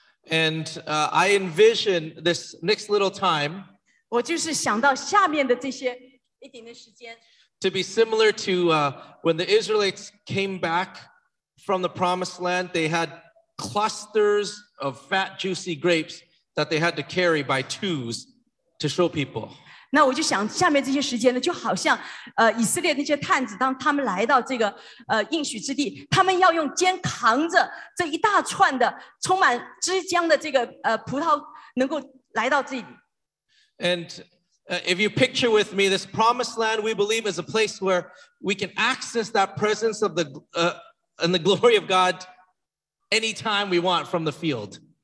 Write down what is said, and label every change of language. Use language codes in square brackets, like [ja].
[en] And I envision this next little time to be similar to when the Israelites came back from the promised land. They had clusters of fat, juicy grapes that they had to carry by twos to show people. [zh] 那我就想下面这些时间呢，就好像以色列那些探子，当他们来到这个应许之地，他们要用肩扛着这一大串的充满汁浆的这个葡萄，能够来到这里。 [en] And if you picture with me, this promised land, we believe, is a place where we can access that presence of the and the glory of God anytime we want from the field.